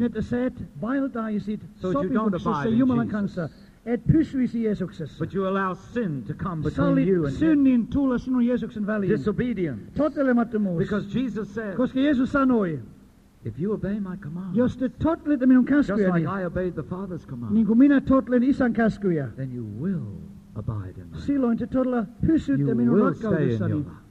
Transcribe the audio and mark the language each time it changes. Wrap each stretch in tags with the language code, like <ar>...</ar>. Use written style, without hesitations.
<fi>Niin että sä et vaeltaisit sopimuksessa Jumalan kanssa. Et pysyisi Jeesuksessa.</fi> <en>But you allow sin to come between you and him.</en> <fi>Synnin tulla sinun Jeesuksen väliin.</fi> <en>Disobedience.</en> <fi>Tottelemattomuus.</fi> <en>Because Jesus said.</en> <fi>Koska Jeesus sanoi.</fi> <en>If you obey my command,</en> <fi>jos te tottelette minun käskyjäni,</fi> <en>just like I obeyed the Father's command,</en> <fi>niin kuin minä tottelen isän käskyjä,</fi> <en>then you will abide in</en> <fi>Silloin te todella pysytte minun rakkaudessani.</fi>